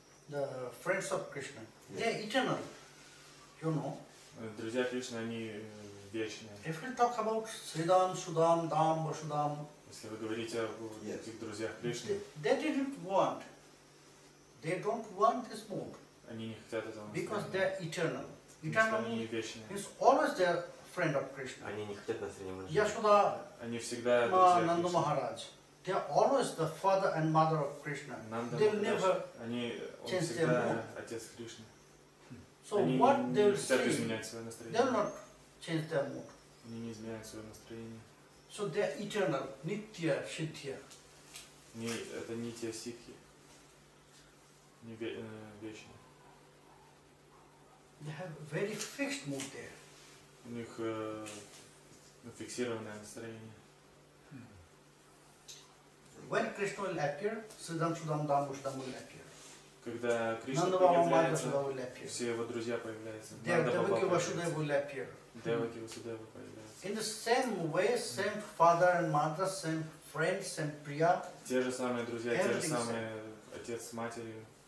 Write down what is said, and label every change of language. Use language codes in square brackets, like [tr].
[en] The friends of Krishna, they are eternal, you know. [ru] Друзья Кришны, они вечные. [en] If we talk about Sridham, Sudham, Dham, Vasudham, [ru] если вы говорите о этих друзьях Кришны, [en] they didn't want, they don't want this mood. [ru] Они не хотят этого. [en] Because they are eternal. Eternal is always their friend of Krishna. [ru] Они не хотят настроения. Яшуда. Они всегда. Нанду Махарадж. [en] They are always the father and mother of Krishna. They will never change their mood. [ru] Отец Кришны. [en] So what they will say, they will not change their mood. [ru] Они не изменяют свое настроение. [en] So they are eternal, nitya, shiddhya. [ru] Не, это нитья сиддхи. Не вечные. [en] They have very fixed mood there. [ru] У них фиксированное настроение. [en] When Krishna will appear, Sridham, Sudham, Dham, Vasudham will appear. [ru] Когда Кришна появляется, все его друзья появляются. [en] Devaki Vasudeva will appear. [ru] Devaki Vasudeva появляется. [en] In the same way, same father and mother, same friend, same priya. [ru] Те же самые друзья, те же самые отец с матерью.